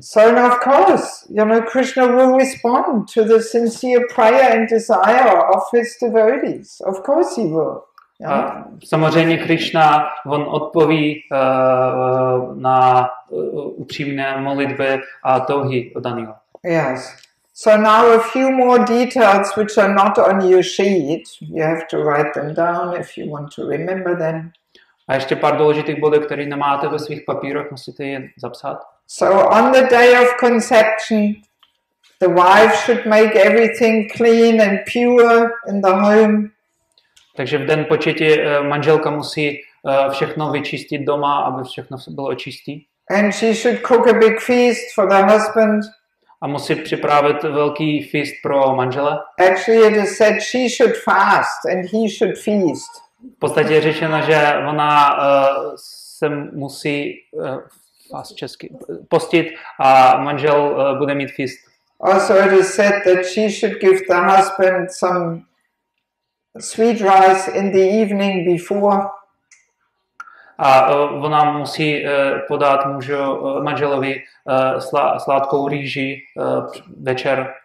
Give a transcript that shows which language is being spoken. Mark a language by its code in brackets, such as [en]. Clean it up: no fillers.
[en] So of course, you know, Krishna will respond to the sincere prayer and desire of his devotees. Of course he will. [cs] A samozřejmě Krishna, on odpoví na upřímné modlitby a touhy daného. [en] Yes. So now a few more details which are not on your sheet. You have to write them down if you want to remember them. [cs] A ještě pár důležitých bodů, které nemáte ve svých papírech, musíte je zapsat. [en] So on the day of conception, the wife should make everything clean and pure in the home. [cs] Takže v den početí manželka musí všechno vyčistit doma, aby všechno bylo čisté. [en] And she should cook a big feast for the husband. [cs] A musí připravit velký feast pro manžela. [en] Actually it is said she should fast and he should feast. [cs] V podstatě je řečeno, že ona se musí fast česky postit a manžel bude mít feast. [en] Also it is said that she should give the husband some sweet rice in the evening before. [cs] A ona musí podat manželovi sladkou rýži večer.